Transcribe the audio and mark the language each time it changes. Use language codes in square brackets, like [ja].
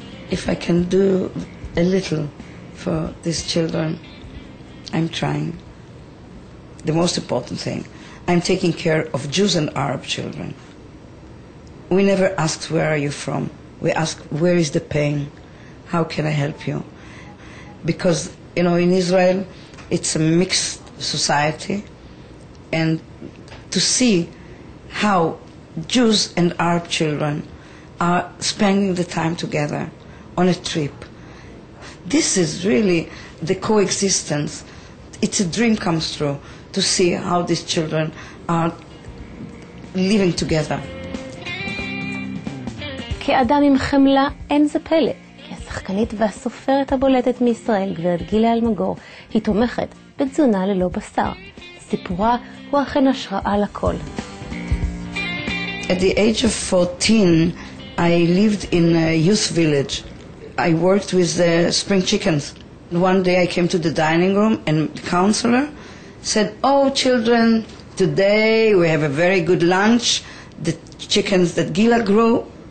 [en] If I can do a little for these children, I'm trying. The most important thing, I'm taking care of Jews and Arab children. We never ask, where are you from? We ask, where is the pain? How can I help you? Because, you know, in Israel, it's a mixed society, and to see how Jews and Arab children are spending the time together on a trip, this is really the coexistence. It's a dream comes true to see how these children are living together. [he] כאדם עם חמלה אין זה פלא, כי השחקנית והסופרת הבולטת מישראל, גברת גילה אלמגור, היא תומכת בתזונה ללא בשר. סיפורה הוא אכן השראה לכל. [en] At the age of 14, I lived in a youth village. I worked with the spring chickens. One day I came to the dining room and the counselor said, oh, children, today we have a very good lunch, the chickens that Gila grew.